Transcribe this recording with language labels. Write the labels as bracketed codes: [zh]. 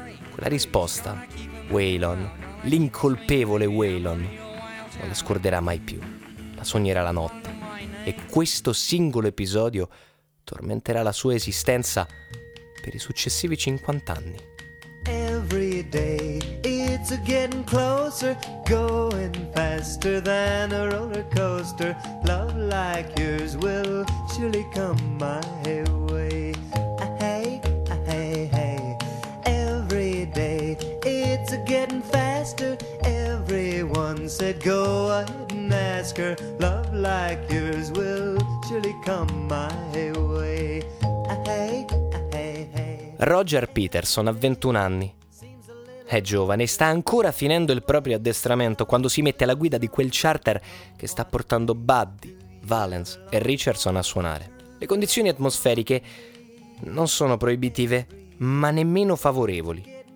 [it] Quella risposta, Waylon, l'incolpevole Waylon, non la scorderà mai più, la sognerà la notte. E questo singolo episodio tormenterà la sua esistenza per i successivi 50 anni. [en] Every day it's a getting closer, going faster than a roller coaster. Love like yours will surely come my way. Hey, hey, hey. Every day it's a getting faster. Everyone said go ahead and ask her. Love like yours will surely come my way. Hey, hey, hey. [it] Roger Peterson ha 21 anni. È giovane e sta ancora finendo il proprio addestramento quando si mette alla guida di quel charter che sta portando Buddy, Valens e Richardson a suonare. Le condizioni atmosferiche non sono proibitive, ma nemmeno favorevoli.